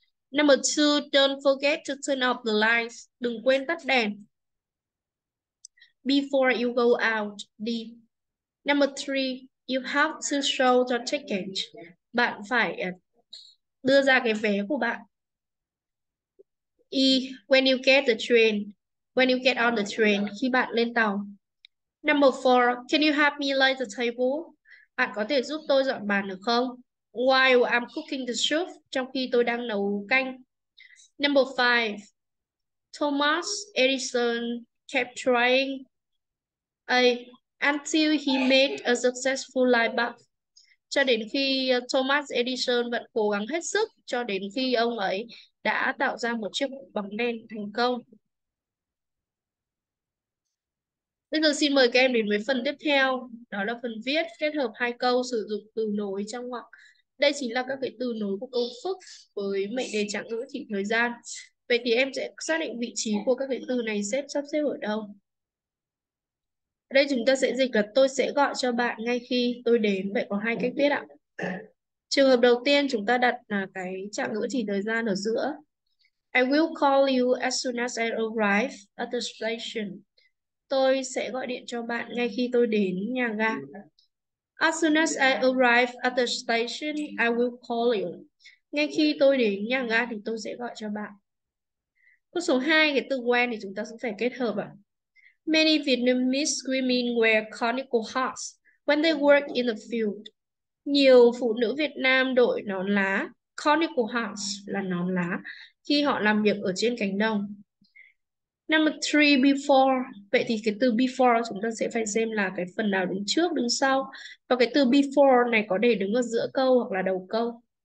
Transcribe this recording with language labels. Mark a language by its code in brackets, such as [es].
[en] Number two, don't forget to turn off the lights. [vi] Đừng quên tắt đèn. [en] Before you go out, đi. Number three, you have to show the ticket. [vi] Bạn phải đưa ra cái vé của bạn. [en] E, when you get the train. When you get on the train, [vi] khi bạn lên tàu. [en] Number four, can you help me lay the table? [vi] Bạn có thể giúp tôi dọn bàn được không? [en] While I'm cooking the soup, [vi] trong khi tôi đang nấu canh. [en] Number five, Thomas Edison kept trying. A, until he made a successful light bulb. [vi] Cho đến khi Thomas Edison vẫn cố gắng hết sức, cho đến khi ông ấy đã tạo ra một chiếc bóng đèn thành công. Bây giờ xin mời các em đến với phần tiếp theo, đó là phần viết kết hợp hai câu sử dụng từ nối trong ngoặc. Đây chính là các cái từ nối của câu phức với mệnh đề trạng ngữ chỉ thời gian. Vậy thì em sẽ xác định vị trí của các cái từ này xếp sắp xếp ở đâu. Ở đây chúng ta sẽ dịch là tôi sẽ gọi cho bạn ngay khi tôi đến. Vậy có hai cách viết ạ. Trường hợp đầu tiên chúng ta đặt là cái trạng ngữ chỉ thời gian ở giữa. [en] I will call you as soon as I arrive at the station. [vi] Tôi sẽ gọi điện cho bạn ngay khi tôi đến nhà ga. [en] As soon as I arrive at the station, I will call you. [vi] Ngay khi tôi đến nhà ga thì tôi sẽ gọi cho bạn. Câu số 2, cái từ when thì chúng ta sẽ phải kết hợp ạ. [en] Many Vietnamese women wear conical hats when they work in the field. [vi] Nhiều phụ nữ Việt Nam đội nón lá, conical hats là nón lá, khi họ làm việc ở trên cánh đồng. [en] Number 3, before. [vi] Vậy thì cái từ before chúng ta sẽ phải xem là cái phần nào đứng trước, đứng sau. Và cái từ before này có để đứng ở giữa câu hoặc là đầu câu.